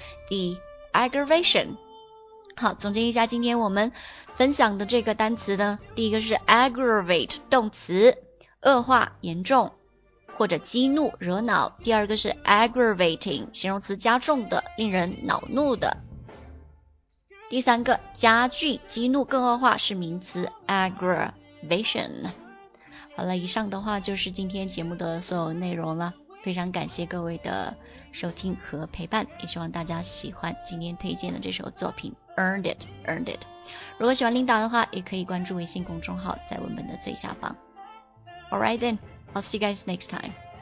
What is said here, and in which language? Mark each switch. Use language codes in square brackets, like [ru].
[en] I just couldn't take the aggravation。 [zh] 好，总结一下今天我们分享的这个单词呢，第一个是 aggravate， 动词，恶化、严重或者激怒、惹恼。第二个是 aggravating， 形容词，加重的、令人恼怒的。第三个，加剧、激怒、更恶化，是名词 aggravation。好了，以上的话就是今天节目的所有内容了，非常感谢各位的收听和陪伴，也希望大家喜欢今天推荐的这首作品 Earned It。如果喜欢琳达的话，也可以关注微信公众号，在文本的最下方。 [en] Alright then, I'll see you guys next time.